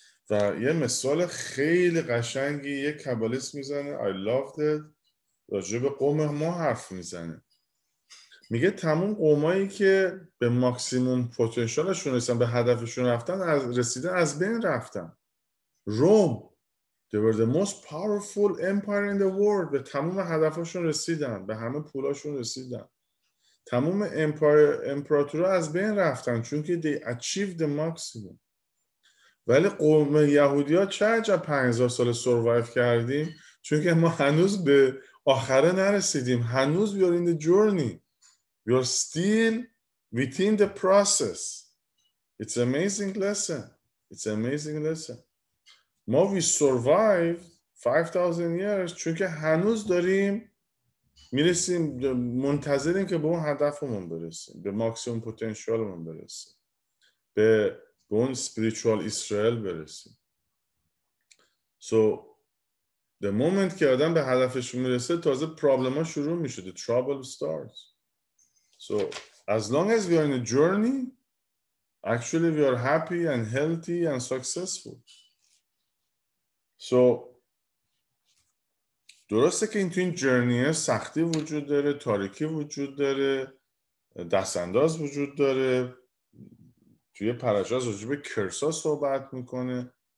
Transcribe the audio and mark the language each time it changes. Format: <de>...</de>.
<fa>و یه مثال خیلی قشنگی یه کابالیست میزنه.</fa> <en>I loved it.</en> <fa>راجب قوم ما حرف میزنه. میگه تمام قومایی که به ماکسیموم پتانسیلشون رسیدن, به هدفشون رفتن, از رسیدن از بین رفتن.</fa> <en>Rome, they were the most powerful empire in the world.</en> <fa>به تمام هدفشون رسیدن, به همه پولاشون رسیدن. تمام امپراتورها از بین رفتن چون که</fa> <en>they achieved the maximum.</en> <fa>ولی قوم یهودی ها چه عجب 5000 سال سروایف کردیم, چون که ما هنوز به آخره نرسیدیم. هنوز</fa> <en>we are in the journey. We are still within the process. It's an amazing lesson. It's an amazing lesson.</en> <fa>ما</fa> <en>we survived 5000 years</en> <fa>چون که هنوز داریم میرسیم, منتظریم که به اون هدفمون برسیم, به ماکسیمم پتانسیلمون برسیم, به اون اسپریچوال اسرائیل برسیم.</fa> <en>So the moment</en> <fa>که آدم به هدفش میرسه, تازه پرابلما شروع میشه.</fa> <en>The trouble starts. So as long as we are in a journey, actually we are happy and healthy and successful.</en> <fa>So درسته که این تو این جرنیه سختی وجود داره, تاریکی وجود داره, دست انداز وجود داره. توی پرشا از راجب کرسا صحبت میکنه.</fa>